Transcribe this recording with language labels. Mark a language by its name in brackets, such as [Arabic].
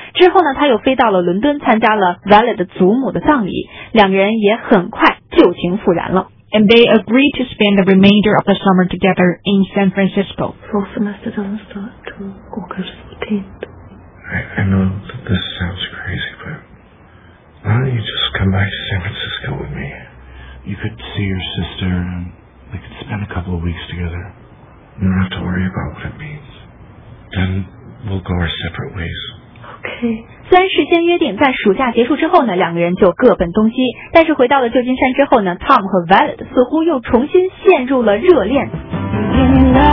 [Chinese] 之后呢，他又飞到了伦敦参加了 Violet 的祖母的葬礼，两人也很快旧情复燃了。 [English] And they agreed to spend the remainder of the summer together in San Francisco. I know that this sounds crazy, but why don't you just come back to San Francisco with me? You could see your sister and we could spend a couple of weeks together. You don't have to worry about what it means. Then. We'll go our separate ways. Okay. [Chinese] 虽然事先约定在暑假结束之后呢，两个人就各奔东西，但是回到了旧金山之后呢 ，Tom 和 Violet 似乎又重新陷入了热恋。